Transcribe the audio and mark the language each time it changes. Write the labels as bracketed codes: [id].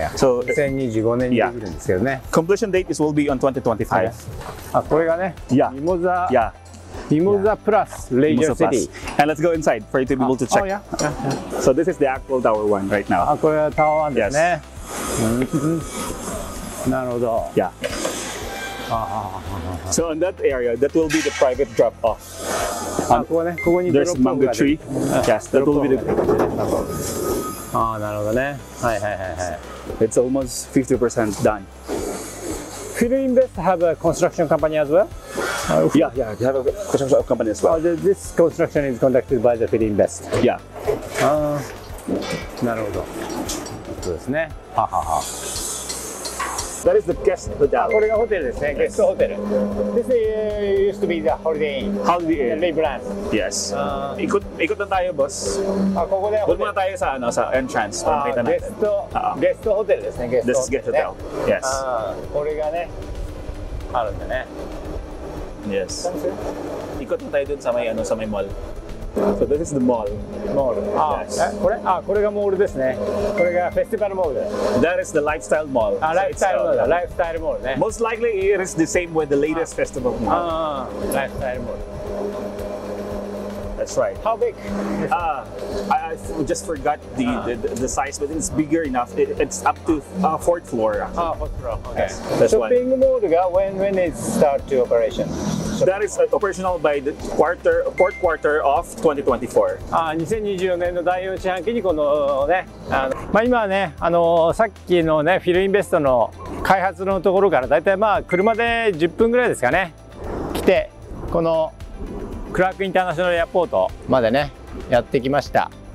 [ja] So, 2025年にできるんですけどね。 [en] Completion date will be on 2025. [ja] あ、これがね、ミモザ、ミモザプラス、レジャーシティ。 [en] And let's go inside for you to be able to check. Oh, yeah. So this is the actual tower one right now. [ja] あ、これはタワー1ですね。なるほど。 [en] Yeah. So in that area, that will be the private drop-off. [ja] ここね、ここに [en] There's mango tree. Yes, that will be the. [ja] ああ、なるほどね。はいはいはいはい。 [en] It's almost 50% done. Fillin Best have a construction company as well. Yeah, they have a construction company as well. This construction is conducted by the Fillin Best. Yeah. [ja] ああ、なるほど。そうですね。ははは [en] That is the guest hotel. [ja] これがホテルですね。 [en] Yes. Guest hotel. This used to be the Holiday Inn. Holiday Inn. The Libran. [tl] Yes. Ikot na tayo, boss. [ja] ここでホテル。 [tl] Doon muna tayo sa, ano, sa entrance. [ja] Guest hotel ですね。Guest hotel. [en] This is guest hotel. Yes. [ja] これがね、あるんだね。 [tl] Yes. Ikot na tayo doon sa may, ano, sa may mall. [en] So this is the mall. Mall. Ah, yes. [ja] これ、あ、これがモールですね。これがフェスティバルモールです。 [en] That is the lifestyle mall. Ah, lifestyle mall. Lifestyle mall, ね。 Most likely it is the same with the latest festival mall. Lifestyle mall. That's right. How big? I just forgot the size, but it's bigger enough. It's up to fourth floor. Fourth floor. Okay. Shopping mall が when it start to operation? That is operational by the fourth quarter of 2024. [ja] 2024年の第4四半期にこのね、まあ今はね、さっきのね、フィルインベストの開発のところからだいたいまあ車で10分ぐらいですかね、来てこのクラークインターナショナルエアポートまでね、やってきました。